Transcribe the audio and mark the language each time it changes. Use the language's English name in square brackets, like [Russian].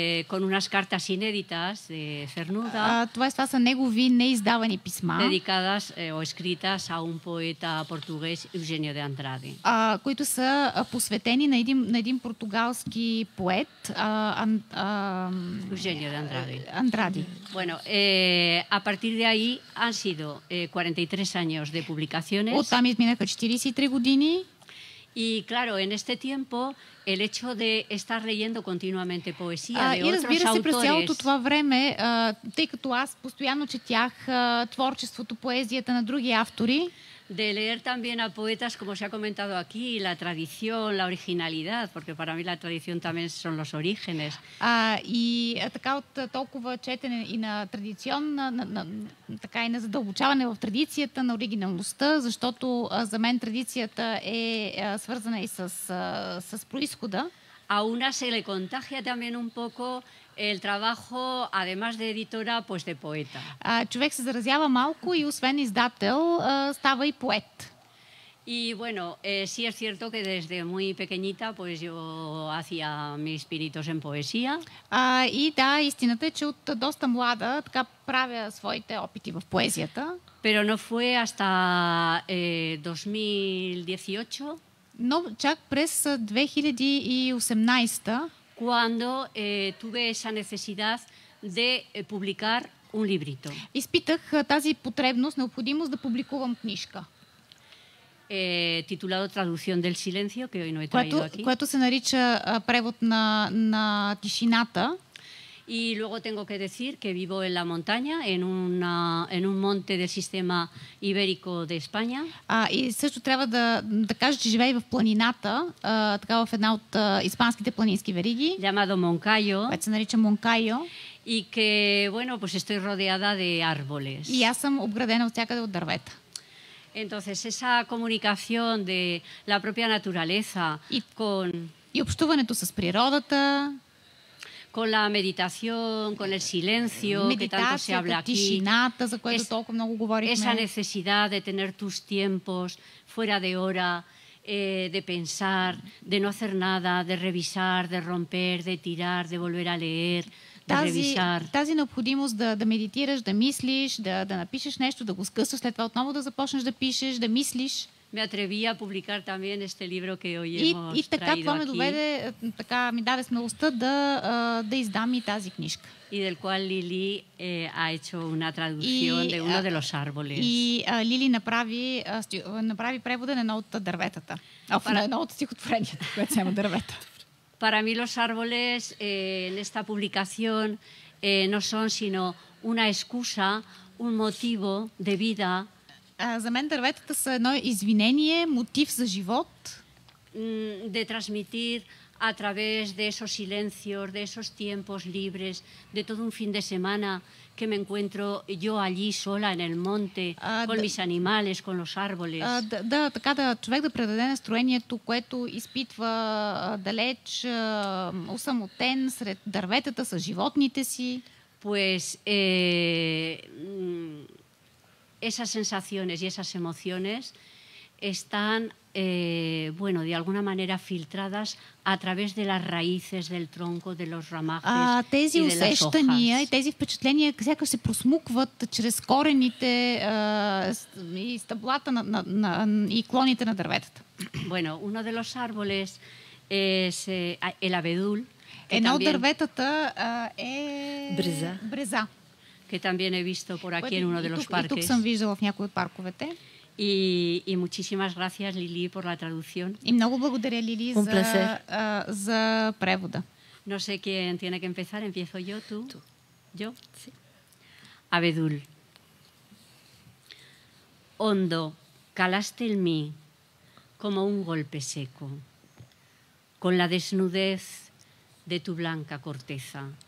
[Spanish] Con unas cartas inéditas de Cernuda. [Bulgarian] Това са негови неиздавани писма. [Spanish] Dedicadas o escritas a un poeta portugués, Eugenio de Andrade. [Bulgarian] Които са посветени на един португалски поет, Eugenio de Andrade. Andrade. [Spanish] Bueno, a partir de ahí han sido 43 años de publicaciones. [Bulgarian] Оттам изминаха 43 години. [Spanish] Y claro, en este tiempo, el hecho de estar leyendo continuamente poesía de otros autores... [Bulgarian] И разбира се, през цялото това време, тъй като аз постоянно четях творчеството, поезията на други автори... [Spanish] De leer también a poetas, como se ha comentado aquí, la tradición, la originalidad, porque para mí la tradición también son los orígenes. [Bulgarian] Така от толкова четене и на традиционна, така и на задълбочаване в традицията, на оригиналността, защото за мен традицията е свързана и с произхода. [Spanish] A una se le contagia también un poco el trabajo, además de editora, pues de poeta. [Bulgarian] Човек се заразява малко и освен издател, става и поет. [Spanish] Y bueno, sí es cierto que desde muy pequeñita pues yo hacía mis pinitos en poesía. [Bulgarian] И да, истината е, че от доста млада така правя своите опити в поезията. [Spanish] Pero no fue hasta 2018. [Bulgarian] Но чак през 2018-та, [Spanish] cuando tuve esa necesidad de publicar un librito. [Bulgarian] Изпитах тази потребност, необходимост да публикувам книжка. [Spanish] Titulado Traducción del silencio, que hoy no he traído aquí. [Bulgarian] Което се нарича превод на тишината. [Spanish] Y luego tengo que decir que vivo en la montaña, en un monte del sistema ibérico de España. [Bulgarian] И също трябва да кажа, че живее в планината, така в една от испанските планински вериги. [Spanish] Llamado Moncayo. [Bulgarian] Което се нарича Moncayo. [Spanish] Y que, bueno, pues estoy rodeada de árboles. [Bulgarian] И аз съм обградена отвсякъде от дървета. [Spanish] Entonces, esa comunicación de la propia naturaleza con... [Bulgarian] И общуването с природата... [Spanish] Con la meditación, con el silencio, meditación, que tanto se habla aquí. [Bulgarian] Tishinata, за което толкова много говорихме. [Spanish] Esa necesidad de tener tus tiempos fuera de hora, de pensar, de no hacer nada, de revisar, de romper, de tirar, de volver a leer, revisar. [Bulgarian] Тази необходимост да медитираш, да мислиш, да напишеш нещо, да го скъсаш, след това отново да започнеш да пишеш, да мислиш. [Spanish] Me atreví a publicar también este libro que hoy hemos traído aquí. [Bulgarian] И така това ме доведе, така ми даде смелостта да издам и тази книжка. [Spanish] Y del cual Lili ha hecho una traducción de uno de los árboles. [Bulgarian] И Лили направи превода на едно от дърветата. На едно от стихотворението, което се има дървета. [Spanish] Para mí los árboles en esta publicación no son sino una excusa, un motivo de vida. [Bulgarian] За мен дърветата са едно извинение, мотив за живот. [Spanish] de transmitir a través de esos silencios, de esos tiempos libres, de todo un fin de semana que me encuentro yo allí sola en el monte, con mis animales, con los árboles. [Bulgarian] Така да, човек да предаде настроението, което изпитва далеч, усамотен сред дърветата с животните си. [Spanish] Pues esas sensaciones y esas emociones están, bueno, de alguna manera filtradas a través de las raíces del tronco, de los ramajes y de las hojas. [Bulgarian] Тези усещания и тези впечатления сякаш се просмукват чрез корените и стъблата и клоните на дърветата. [Spanish] Bueno, uno de los árboles es el abedul. [Bulgarian] Едно от дърветата е бреза. [Spanish] Que también he visto por aquí en uno de los parques. [Bulgarian] И тук съм виждала в някои от парковете. [Spanish] Y muchísimas gracias, Lili, por la traducción. [Bulgarian] И много благодаря, Лили, за превода. [Spanish] No sé quién tiene que empezar. Empiezo yo, tú. Yo. Sí. Abedul. Hondo, calaste en mí como un golpe seco. Con la desnudez de tu blanca corteza.